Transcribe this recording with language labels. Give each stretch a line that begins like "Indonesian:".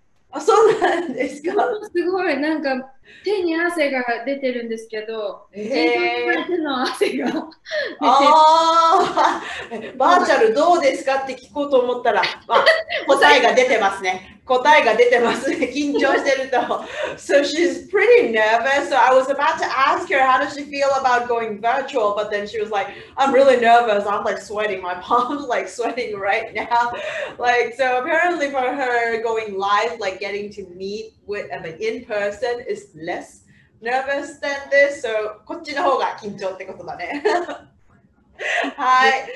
Japanese: あ、そうなんですか。すごい、なんか手に汗が出てるんですけど、手の汗が出てる。バーチャルどうですかって聞こうと思ったら、まあ、答えが出てますね。答えが出てますね。緊張してると。 So she's pretty nervous.
English: So I was about to ask her how does she feel about going virtual, but then she was like, I'm really nervous. I'm like sweating. My palms like sweating right now. Like, so apparently for her going live, like getting to meet with an in person is less nervous than this.
Japanese: So こっちの方が緊張ってことだね。はい。